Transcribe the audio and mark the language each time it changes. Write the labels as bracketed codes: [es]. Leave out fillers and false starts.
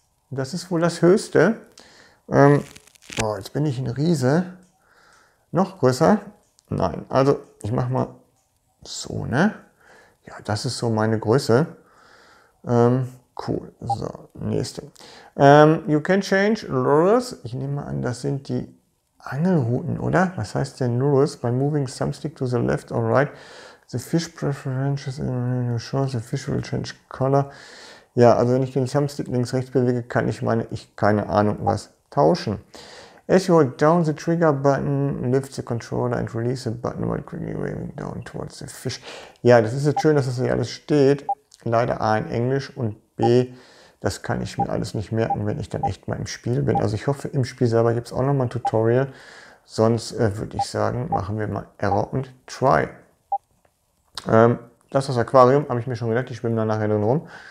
[de] Das ist wohl das Höchste. Boah, jetzt bin ich ein Riese. Noch größer? Nein. Also ich mache mal so, ne? Ja, das ist so meine Größe. Cool. So, nächste. [en] You can change lures. [de] Ich nehme mal an, das sind die Angelrouten, oder? Was heißt denn lures? [en] By moving some stick to the left or right, the fish preferences in the shore, the fish will change color. [de] Ja, also wenn ich den some stick links, rechts bewege, kann ich meine, ich keine Ahnung was, tauschen. [en] As you hold down the trigger button, lift the controller and release the button while quickly waving down towards the fish. [de] Ja, das ist jetzt schön, dass das hier alles steht. Leider A in Englisch und B, das kann ich mir alles nicht merken, wenn ich dann echt mal im Spiel bin. Also ich hoffe, im Spiel selber gibt es auch nochmal ein Tutorial. Sonst würde ich sagen, machen wir mal Error und Try. Das ist das Aquarium, habe ich mir schon gedacht, ich schwimme da nachher drin rum.